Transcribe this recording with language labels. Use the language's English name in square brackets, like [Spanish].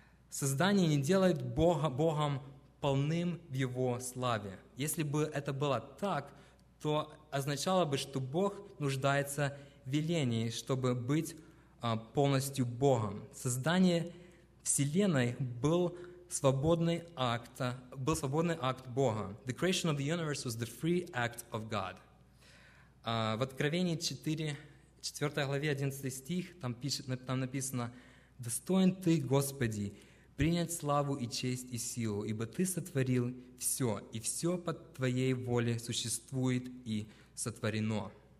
[Russian] Создание не делает Богом полным в Его славе. Если бы это было так, то означало бы, что Бог нуждается в велении, чтобы быть полностью Богом. Создание Вселенной был свободный акт Бога. [English] The creation of the universe was the free act of God. [Russian] В Откровении 4 главе 11 стих, там написано: «Достоин Ты, Господи, принять славу и честь и силу, ибо Ты сотворил все, и все под Твоей волей существует и сотворено».